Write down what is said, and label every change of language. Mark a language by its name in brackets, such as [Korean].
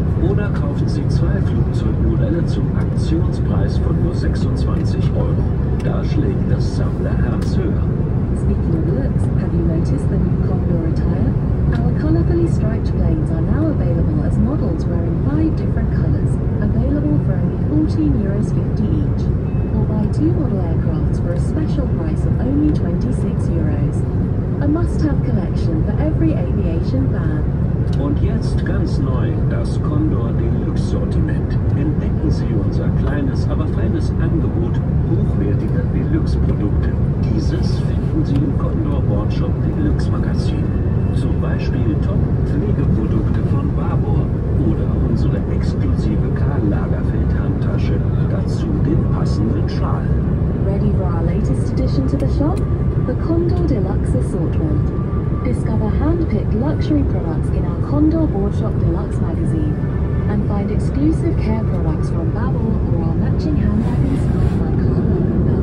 [German] Oder kaufen Sie zwei Flugzeugmodelle zum Aktionspreis von nur 26 Euro. Sammler Herz höher. [English] Speaking of looks, have you noticed the new Condor attire? Our colorfully striped planes are now available as models wearing 5 different colors, available for only €14.50 each. Or buy 2 model aircrafts for a special price of only €26. A must-have collection for every aviation fan. [German] Und jetzt ganz neu, das Condor Deluxe Sortiment. Entdecken Sie unser kleines, aber feines Angebot hochwertiger Deluxe-Produkte. Dieses finden Sie im Condor Boardshop Deluxe Magazin. Zum Beispiel Top-Pflegeprodukte von Babor oder unsere exklusive Karl-Lagerfeld-Handtasche. Dazu den passenden Schal. [English] Ready for our latest addition to the shop? The Condor Deluxe Assortment. Discover hand-picked luxury products in our Condor Boardshop Deluxe magazine and find exclusive care products from Babor or our matching handbag and scarf by Karl Lagerfeld.